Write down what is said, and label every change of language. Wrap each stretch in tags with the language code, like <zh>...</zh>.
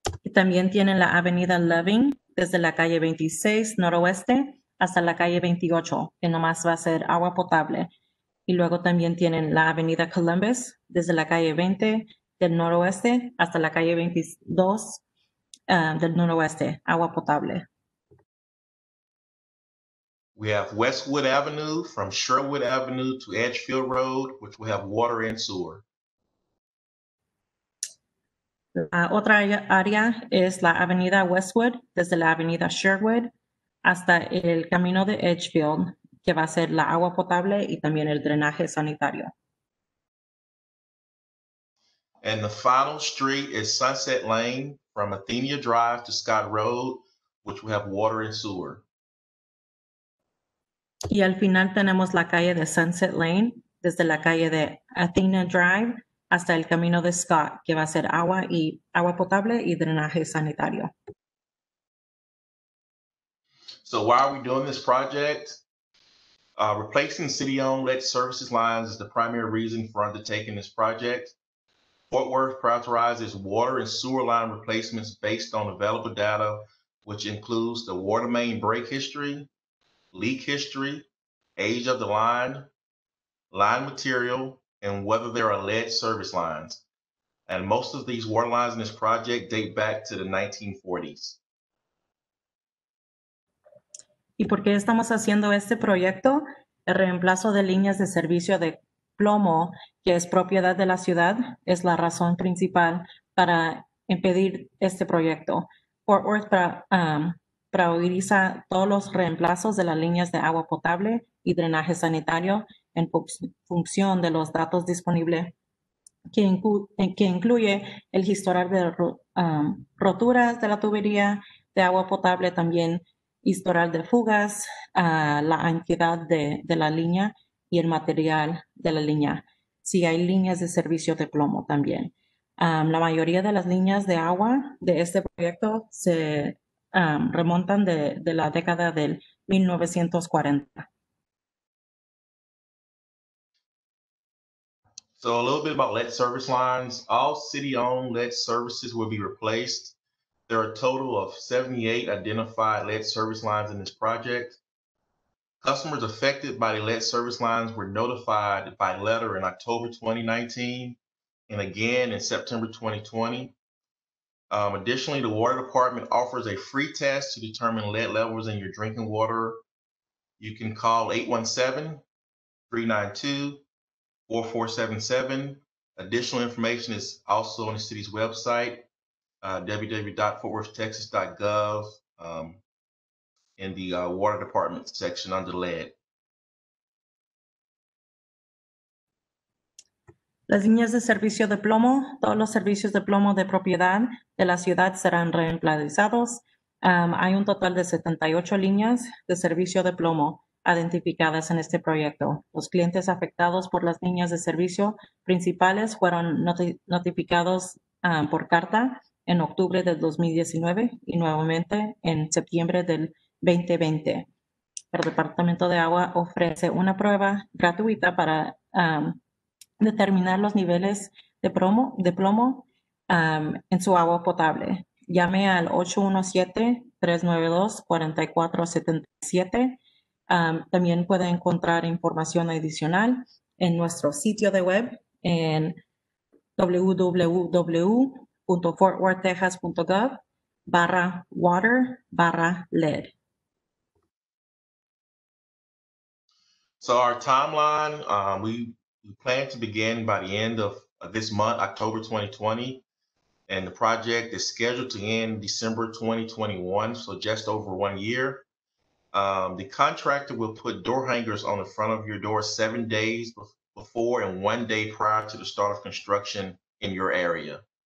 <es>También tienen la Avenida Loving desde la calle 26 Noroeste hasta la calle 28, que nomás va a ser agua potable. Y luego también tienen la Avenida Columbus desde la calle 20 del Noroeste hasta la calle 22 del Noroeste, agua potable.</es> <en>We have Westwood Avenue from Sherwood Avenue to Edgefield Road, which will have water and sewer.</en> <es>La otra área es la Avenida Westwood, desde la Avenida Sherwood hasta el Camino de Edgefield, que va a ser la agua potable y también el drenaje sanitario.</es> <en>And the final street is Sunset Lane from Athenia Drive to Scott Road, which will have water and sewer.</en> <es>Y al final tenemos la calle de Sunset Lane, desde la calle de Athena Drive hasta el Camino de Scott, que va a ser agua potable y drenaje sanitario.</es> <en>So why are we doing this project? Replacing city-owned lead services lines is the primary reason for undertaking this project. Fort Worth prioritizes water and sewer line replacements based on available data, which includes the water main break history, leak history, age of the line, line material, and whether there are lead service lines. And most of these water lines in this project date back to the 1940s.</en> <es>¿Y por qué estamos haciendo este proyecto? El reemplazo de líneas de servicio de plomo, que es propiedad de la ciudad, es la razón principal para impedir este proyecto. Fort Worth prioriza todos los reemplazos de las líneas de agua potable y drenaje sanitario en función de los datos disponibles, que incluye el historial de roturas de la tubería de agua potable, también historial de fugas, la antigüedad de la línea y el material de la línea. Sí, hay líneas de servicio de plomo también. La mayoría de las líneas de agua de este proyecto se remontan de la década del 1940.</es> <en>So a little bit about lead service lines. All city-owned lead services will be replaced. There are a total of 78 identified lead service lines in this project. Customers affected by the lead service lines were notified by letter in October 2019 and again in September 2020. Additionally, the water department offers a free test to determine lead levels in your drinking water. You can call 817-392-4477. Additional information is also on the city's website, www.fortworthtexas.gov, in the water department section under lead.</en> <es>Las líneas de servicio de plomo, todos los servicios de plomo de propiedad de la ciudad serán reemplazados. Hay un total de 78 líneas de servicio de plomo identificadas en este proyecto. Los clientes afectados por las líneas de servicio principales fueron notificados por carta en octubre del 2019 y nuevamente en septiembre del 2020. El Departamento de Agua ofrece una prueba gratuita para determinar los niveles de plomo en su agua potable. Llame al 817-392-4477. También puede encontrar información adicional en nuestro sitio de web en www.fortworthtexas.gov/water/lead.</es> <en>So our timeline, we plan to begin by the end of this month, October 2020, and the project is scheduled to end December 2021, so just over 1 year. The contractor will put door hangers on the front of your door 7 days before and 1 day prior to the start of construction in your area.</en>